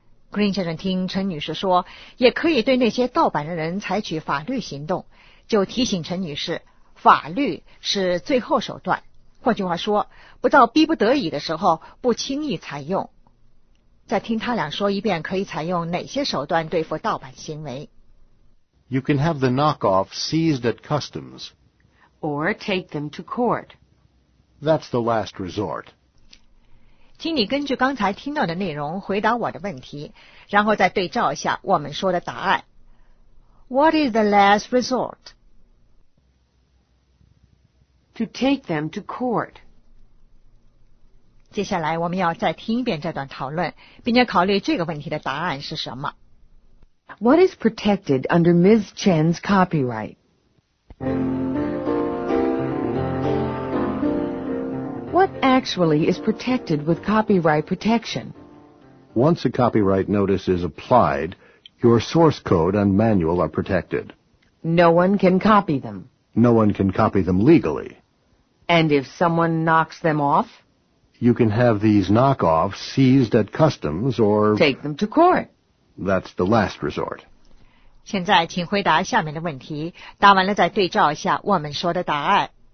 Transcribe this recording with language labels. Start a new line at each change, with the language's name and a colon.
Chinese: Green 先生听陈女士说，也可以对那些盗版的人采取法律行动，就提醒陈女士，法律是最后手段。换句话说，不到逼不得已的时候，不轻易采用。再听他俩说一遍，可以采用哪些手段对付盗版行为。
English: You can have the knockoff seized at customs. Or take them to court. That's the last resort.
Chinese: 请你根据刚才听到的内容回答我的问题，然后再对照一下我们说的答案。
English: What is the last resort? To take them to court. 接下来我们要再听一遍这段讨论，并且考虑这个问题的答案是什么。 What is protected under Ms. Chen's copyright? What actually is protected with copyright protection? Once a copyright notice is applied, your source code and manual are protected. No one can copy them. No one can copy them legally. And if someone knocks them off? You can have these knockoffs seized at customs or... Take them to court. That's the last resort.
Chinese: 现在请回答下面的问题，答完了再对照一下我们说的答案。